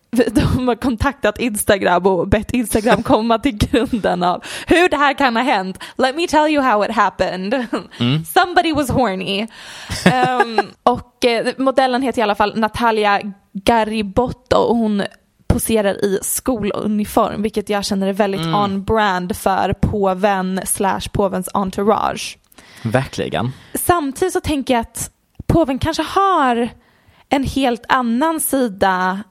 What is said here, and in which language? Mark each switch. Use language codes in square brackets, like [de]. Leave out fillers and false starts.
[sv] De har kontaktat Instagram och bett Instagram komma till grunden av hur det här kan ha hänt. [en] Let me tell you how it happened. Somebody was horny. [sv] Och modellen heter i alla fall Natalia Garibotto och hon poserar i skoluniform, vilket jag känner är väldigt [en] on brand [sv] för påven / påvens entourage. Verkligen. Samtidigt så tänker jag att påven kanske har en helt annan sida.